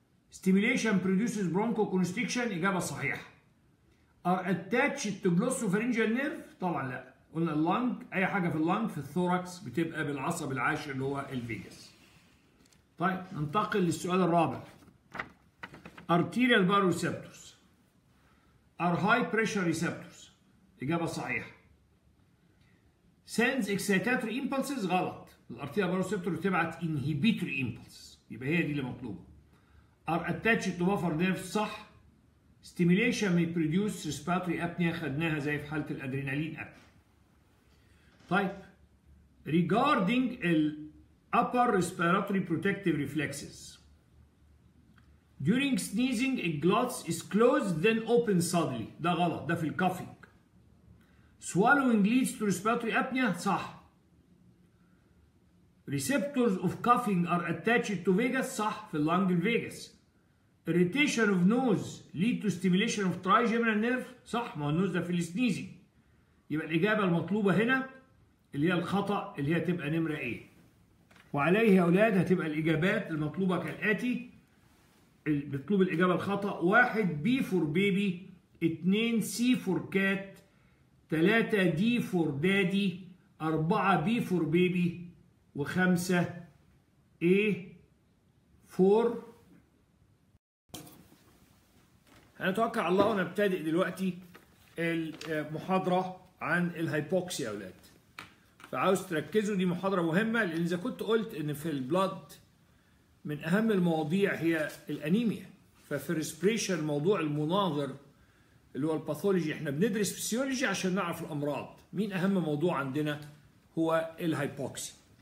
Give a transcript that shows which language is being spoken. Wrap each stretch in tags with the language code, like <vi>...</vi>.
<en>stimulation produces bronchoconstriction,</en> <ar>اجابه صحيحه.</ar> <en>are attach to glossopharyngeal nerve,</en> <ar>طبعا لا، قلنا اللانج اي حاجه في اللانج في الثوراكس بتبقى بالعصب العاشر اللي هو الفيجاس. طيب ننتقل للسؤال الرابع</ar> <en>Arterial baroreceptors are high pressure receptors.</en> <ar>إجابة صحيحة.</ar> <en>Sends excitatory impulses</en> <ar>غلط. الأرتيريا بروسيبتور بتبعت</ar> <en>inhibitory impulses.</en> <ar>يبقى هي دي اللي مطلوبة.</ar> <en>Are attached to buffer nerves</en> <ar>صح.</ar> <en>Stimulation may produce respiratory apnea</en> <ar>خدناها زي في حالة الأدرينالين قبل.</ar> <en>طيب regarding the upper respiratory protective reflexes. During sneezing a glottis is closed then open suddenly.</en> <ar>ده غلط ده في الكافينج.</ar> <en>Swallowing leads to respiratory apnea</en> <ar>صح.</ar> <en>Receptors of coughing are attached to vagus</en> <ar>صح في اللانج الفيغس.</ar> <en>Irritation of nose lead to stimulation of trigeminal nerve</en> <ar>صح ما هو النوز ده في السنيزنج. يبقى الإجابة المطلوبة هنا اللي هي الخطأ اللي هي تبقى نمرة ايه. وعليه يا أولاد هتبقى الإجابات المطلوبة كالآتي. بتطلب الإجابة الخطأ</ar> <en>1 B for baby 2 C for cat 3 D for daddy 4 B for baby</en> <ar>وخمسة</ar> <en>A for.</en> <ar>هنتوقع الله ونبتدئ دلوقتي المحاضرة عن الهايبوكسيا يا أولاد. فعاوز تركزوا دي محاضرة مهمة لأن إذا كنت قلت إن في البلد من أهم المواضيع هي الأنيميا ففي الريسبريشن موضوع المناظر اللي هو الباثولوجي إحنا بندرس فيسيولوجي عشان نعرف الأمراض مين أهم موضوع عندنا هو الهايبوكسيا.</ar>